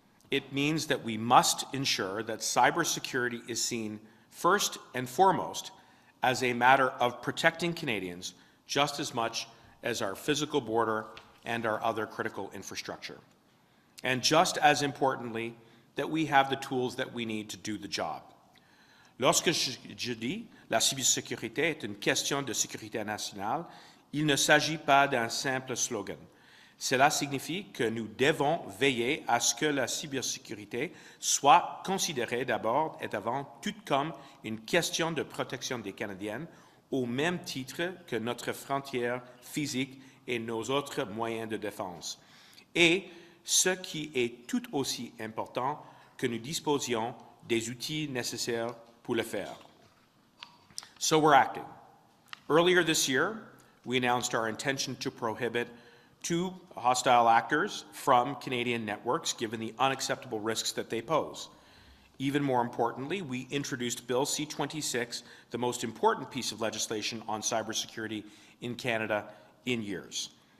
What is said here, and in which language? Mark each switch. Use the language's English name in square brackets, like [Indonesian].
[English] It means that we must ensure that cybersecurity is seen first and foremost as a matter of protecting Canadians just as much as our physical border and our other critical infrastructure. And just as importantly, that we have the tools that we need to do the job. [French] Lorsque je dis la cybersécurité est une question de sécurité nationale, il ne s'agit pas d'un simple slogan. Cela signifie que nous devons veiller à ce que la cybersécurité soit considérée d'abord et avant tout comme une question de protection des Canadiens, au même titre que notre frontière physique et nos autres moyens de défense. Et ce qui est tout aussi important, que nous disposions des outils nécessaires pour le faire. [English] So we're acting. Earlier this year, we announced our intention to prohibit two hostile actors from Canadian networks, given the unacceptable risks that they pose. Even more importantly, we introduced Bill C-26, the most important piece of legislation on cybersecurity in Canada in years.